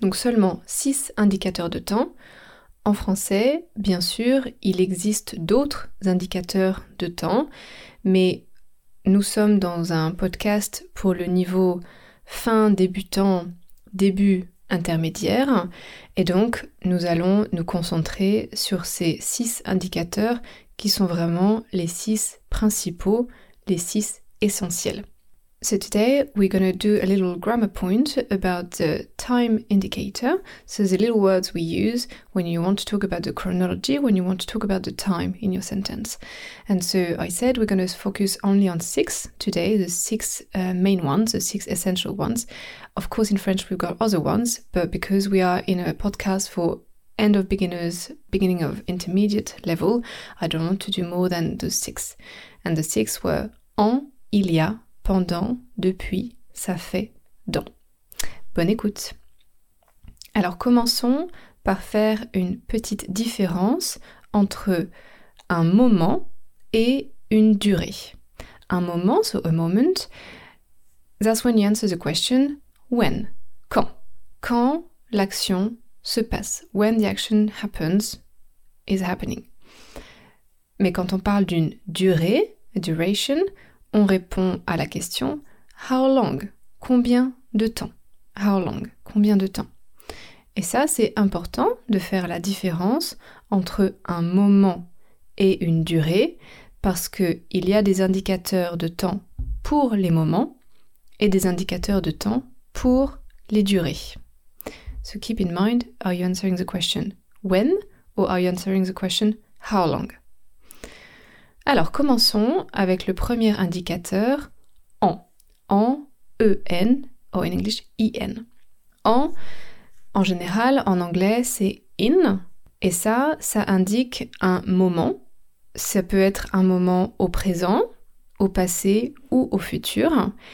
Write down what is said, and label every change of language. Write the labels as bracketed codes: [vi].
[fr] Donc seulement 6 indicateurs de temps. En français, bien sûr, il existe d'autres indicateurs de temps, mais nous sommes dans un podcast pour le niveau fin débutant début intermédiaire, et donc nous allons nous concentrer sur ces 6 indicateurs qui sont vraiment les 6 principaux, les 6 essentiels. [en] So today we're going to do a little grammar point about the time indicator, so the little words we use when you want to talk about the chronology, when you want to talk about the time in your sentence. And so I said we're going to focus only on 6 today, the 6 main ones, the 6 essential ones. Of course in French we've got other ones, but because we are in a podcast for end of beginners, beginning of intermediate level, I don't want to do more than the 6. And the 6 were en, il y a, pendant, depuis, ça fait, dans. [fr] Bonne écoute. Alors commençons par faire une petite différence entre un moment et une durée. Un moment, [en] so a moment, that's when you answer the question when, quand. [fr] Quand l'action se passe. [en] When the action happens, is happening. [fr] Mais quand on parle d'une durée, duration, on répond à la question [en] how long, [fr] combien de temps, how long, combien de temps. Et ça, c'est important de faire la différence entre un moment et une durée parce qu'il y a des indicateurs de temps pour les moments et des indicateurs de temps pour les durées. [en] So keep in mind, are you answering the question when or are you answering the question how long? [fr] Alors, commençons avec le premier indicateur, en. En, E-N, [en] or in English, [fr] I-N. En général, en anglais, c'est in. Et ça, ça indique un moment. Ça peut être un moment au présent, au passé ou au futur.